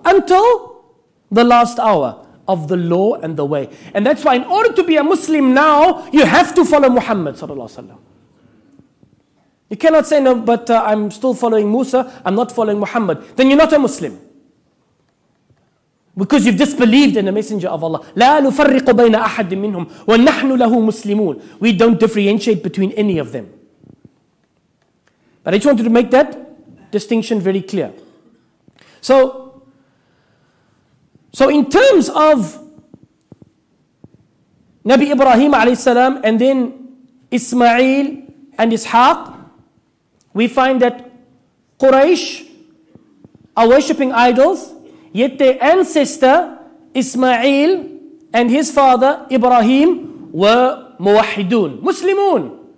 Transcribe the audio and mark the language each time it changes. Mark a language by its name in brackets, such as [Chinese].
[English] Until the last hour of the law and the way. And that's why in order to be a Muslim now, you have to follow Muhammad sallallahu alaihi wasallam. You cannot say, no, but I'm still following Musa, I'm not following Muhammad. Then you're not a Muslim. Because you've disbelieved in the messenger of Allah. [Arabic] لا نفرق بين أحد منهم ونحن له مسلمون. [English] We don't differentiate between any of them. But I just wanted to make that distinction very clear. So in terms of Nabi Ibrahim alayhi salam and then Ismail and Ishaq, we find that Quraysh are worshipping idols, yet their ancestor Ismail and his father Ibrahim were muwahidun, Muslimun.